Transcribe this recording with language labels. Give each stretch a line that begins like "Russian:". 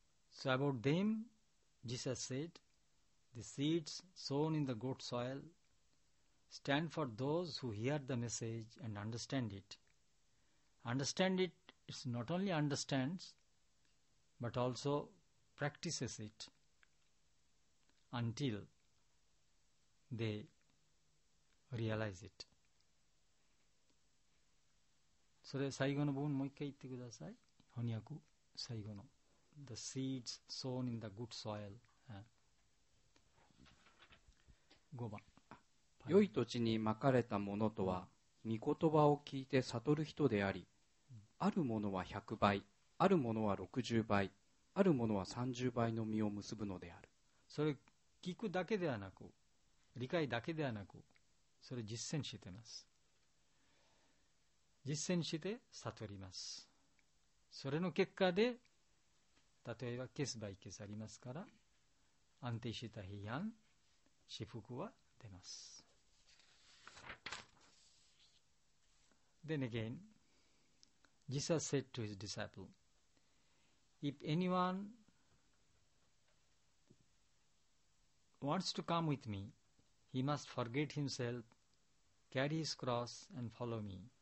English: So about them, Jesus said, the seeds sown in the good soil stand for those who hear the message and understand it. Understand it, it's not only understands, but also practices it until they realize it.
Japanese: それ最後の部分もう一回言ってください。翻訳最後の。
English: The seeds sown in the good soil.
Japanese: 5番。良い土地にまかれたものとは、御言葉を聞いて悟る人であり、あるものは100倍、あるものは60倍、あるものは30倍の実を結ぶのである。それ聞くだけではなく、理解だけではなく、それ実践してます。実践して悟ります。それの結果で、例えばケースバイケースありますから、安定した平安、至福は出ます。
English: Then again,Jesus said to his disciple, if anyone wants to come with me, he must forget himself, carry his cross and follow me.